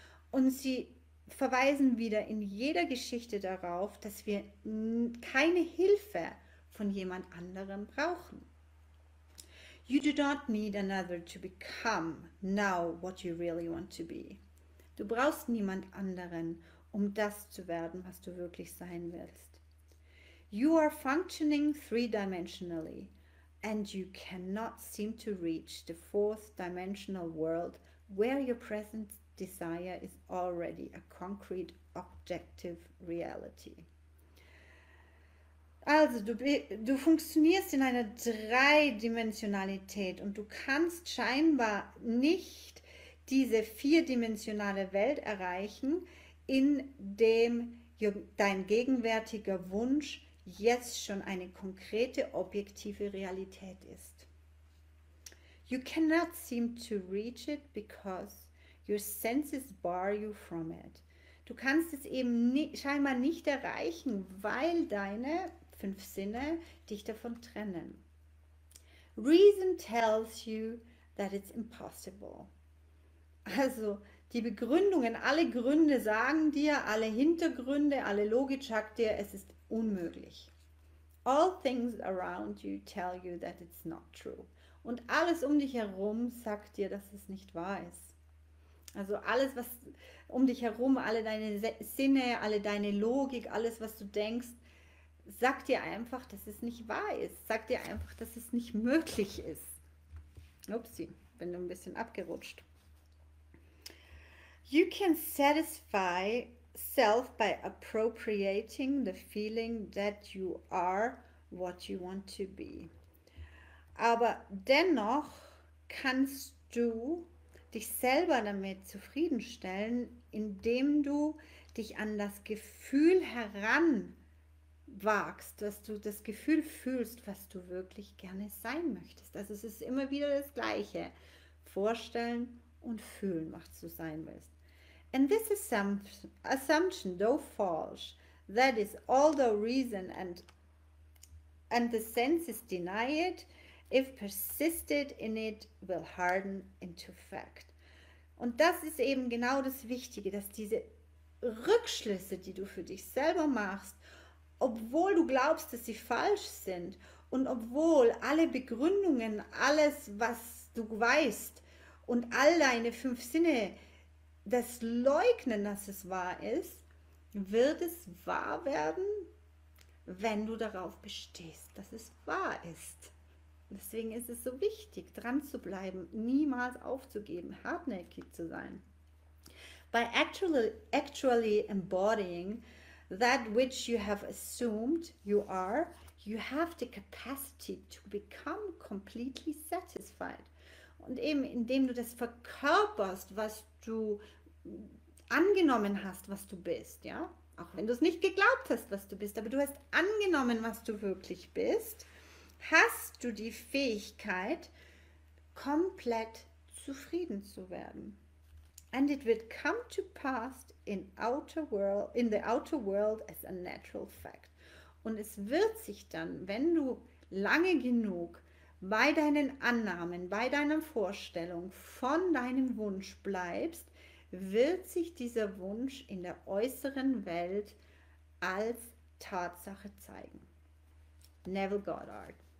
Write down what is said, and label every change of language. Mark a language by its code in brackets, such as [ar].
[de] Und sie verweisen wieder in jeder Geschichte darauf, dass wir keine Hilfe von jemand anderem brauchen. [en] You do not need another to become now what you really want to be. [de] Du brauchst niemand anderen, um das zu werden, was du wirklich sein willst. [en] You are functioning three-dimensionally and you cannot seem to reach the fourth-dimensional world where your present desire is already a concrete objective reality. [de] Also, du funktionierst in einer Dreidimensionalität und du kannst scheinbar nicht diese vierdimensionale Welt erreichen, in dem dein gegenwärtiger Wunsch jetzt schon eine konkrete, objektive Realität ist. [en] You cannot seem to reach it because your senses bar you from it. [de] Du kannst es eben scheinbar nicht erreichen, weil deine fünf Sinne dich davon trennen. [en] Reason tells you that it's impossible. [de] Also die Begründungen, alle Gründe sagen dir, alle Hintergründe, alle Logik sagt dir, es ist unmöglich. [en] All things around you tell you that it's not true. [de] Und alles um dich herum sagt dir, dass es nicht wahr ist. Also alles, was um dich herum, alle deine Sinne, alle deine Logik, alles, was du denkst, sagt dir einfach, dass es nicht wahr ist. Sagt dir einfach, dass es nicht möglich ist. Upsi, bin ein bisschen abgerutscht. [en] You can satisfy self by appropriating the feeling that you are what you want to be. [de] Aber dennoch kannst du dich selber damit zufriedenstellen, indem du dich an das Gefühl heranwagst, dass du das Gefühl fühlst, was du wirklich gerne sein möchtest. Also es ist immer wieder das Gleiche. Vorstellen und fühlen, was du sein willst. [en] And this assumption, though false, that is although reason and the senses deny it, if persisted in it, will harden into fact. [de] Und das ist eben genau das Wichtige, dass diese Rückschlüsse, die du für dich selber machst, obwohl du glaubst, dass sie falsch sind und obwohl alle Begründungen, alles, was du weißt und all deine fünf Sinne das Leugnen, dass es wahr ist, wird es wahr werden, wenn du darauf bestehst, dass es wahr ist. Deswegen ist es so wichtig, dran zu bleiben, niemals aufzugeben, hartnäckig zu sein. [en] By actually embodying that which you have assumed you are, you have the capacity to become completely satisfied. [de] Und eben indem du das verkörperst, was du angenommen hast, was du bist, ja, auch wenn du es nicht geglaubt hast, was du bist, aber du hast angenommen, was du wirklich bist, hast du die Fähigkeit, komplett zufrieden zu werden. [en] And it will come to pass in the outer world as a natural fact. [de] Und es wird sich dann, wenn du lange genug bei deinen Annahmen, bei deiner Vorstellung von deinem Wunsch bleibst, wird sich dieser Wunsch in der äußeren Welt als Tatsache zeigen. Neville Goddard.